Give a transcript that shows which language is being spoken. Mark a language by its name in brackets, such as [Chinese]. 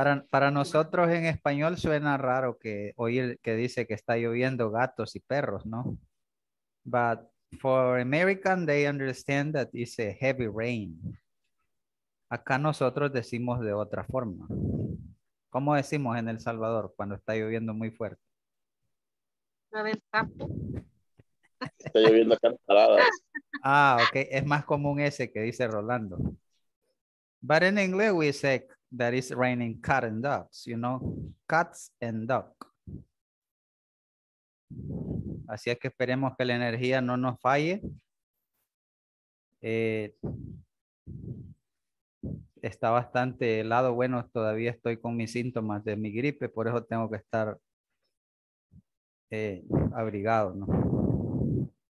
[Spanish] Para nosotros en español suena raro que oír que dice que está lloviendo gatos y perros, ¿no? [English] But for American, they understand that it's a heavy rain. [Spanish] Acá nosotros decimos de otra forma. ¿Cómo decimos en El Salvador cuando está lloviendo muy fuerte? Está lloviendo cantaradas. Ah, okay. Es más común ese que dice Rolando. [English] But in English, we say that it's raining cats and dogs, you know, cats and dogs. [Spanish] Así es que esperemos que la energía no nos falle. Está bastante helado. Bueno, todavía estoy con mis síntomas de mi gripe, por eso tengo que estar abrigado, ¿no?